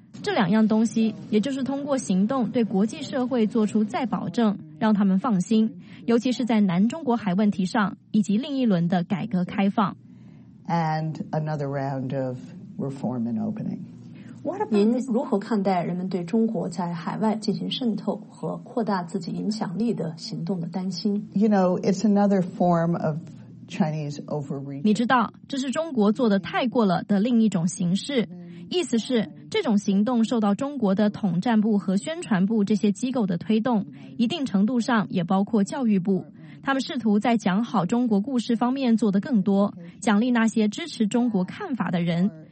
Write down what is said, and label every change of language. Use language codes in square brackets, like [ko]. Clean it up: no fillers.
[zh] 这两样东西，也就是通过行动对国际社会做出再保证，让他们放心，尤其是在南中国海问题上，以及另一轮的改革开放。 [en] And another round of reform and opening. [zh] 您如何看待人们对中国在海外进行渗透和扩大自己影响力的行动的担心？ [en] You know, it's another form of Chinese overreach. [zh] 你知道，这是中国做得太过了的另一种形式。意思是，这种行动受到中国的统战部和宣传部这些机构的推动，一定程度上也包括教育部。他们试图在讲好中国故事方面做得更多，奖励那些支持中国看法的人。